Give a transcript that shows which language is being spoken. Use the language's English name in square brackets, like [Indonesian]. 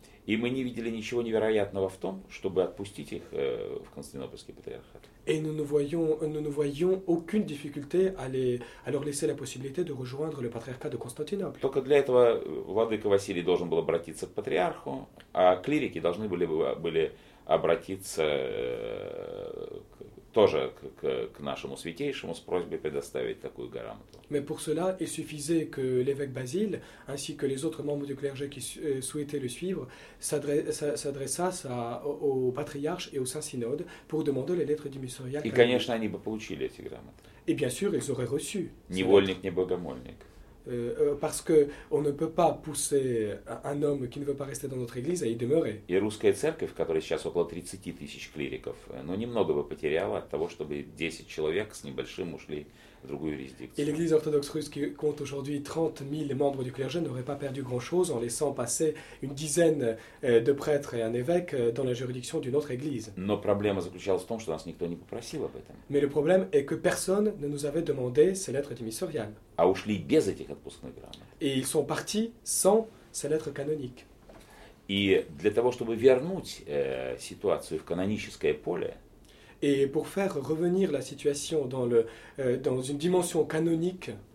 [Russian] И мы не видели ничего невероятного в том, чтобы отпустить их в Константинопольский патриархат. [French] Et nous ne voyons aucune difficulté à leur laisser la possibilité de rejoindre le patriarcat de Constantinople. [Russian] Только для этого владыка Василий должен был обратиться к патриарху, а клирики должны были обратиться тоже к нашему святейшему с просьбой предоставить такую грамоту. [French] Mais pour cela, il suffisait que l'évêque Basile, ainsi que les autres membres du clergé qui souhaitaient le suivre, s'adressassent au patriarche et au Saint-Synode pour demander les lettres démissionnaires. [Russian] Et конечно, они бы получили эти грамоты. [French] Et bien sûr, ils auraient reçu. [Russian] Невольник, не богомольник. [French] Parce qu'on ne peut pas pousser un homme qui ne veut pas rester dans notre église à y demeurer. [Russian] И русская церковь, которая сейчас около 30 тысяч клириков, ну немного бы потеряла от того, чтобы 10 человек с небольшим ушли в другую юрисдикцию. [French] Et l'église orthodoxe russe qui compte aujourd'hui 30 000 membres du clergé n'aurait pas perdu grand-chose en laissant passer une dizaine de prêtres et un évêque dans la juridiction d'une autre église. [Russian] Но проблема заключалась в том, что нас никто не попросил об этом. [French] Mais le problème est que personne ne nous avait demandé ces lettres démissionnaires. [Russian] А ушли без этих отпускных грамот. [French] Et ils sont partis sans ces lettres canoniques. [Russian] И для того, чтобы вернуть ситуацию в каноническое поле. [French] Et pour faire revenir la situation dans une dimension canonique.